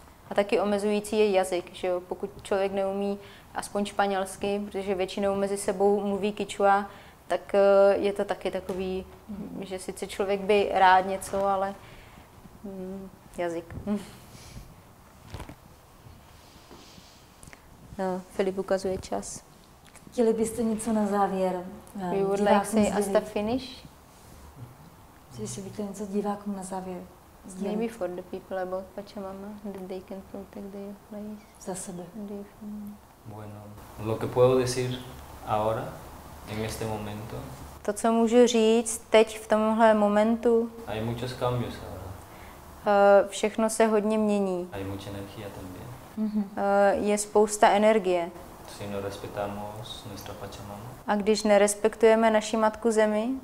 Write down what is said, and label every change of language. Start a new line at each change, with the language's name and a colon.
Czech: A taky omezující je jazyk, že jo? Pokud člověk neumí aspoň španělsky, protože většinou mezi sebou mluví kichua, tak je to taky takový, že sice člověk by rád něco, ale jazyk. No, Filip ukazuje čas. Chtěli byste něco na závěr?
English: We would like say as the finish.
Czech: Chtěli byste něco divákům na závěr sdělit?
English: Maybe for the people about Pachamama, that they can protect their place.
Czech: Za sebe.
Spanish: Bueno, lo que puedo decir ahora, en este momento.
Czech: To, co můžu říct teď v tomhle momentu.
Spanish: Hay muchos cambios ahora.
Czech: Všechno se hodně mění.
Spanish: Hay mucha energía también.
Czech: Je spousta energie.
Spanish: Si no respetamos nuestra Pachamama.
Czech: A když nerespektujeme naši matku zemi.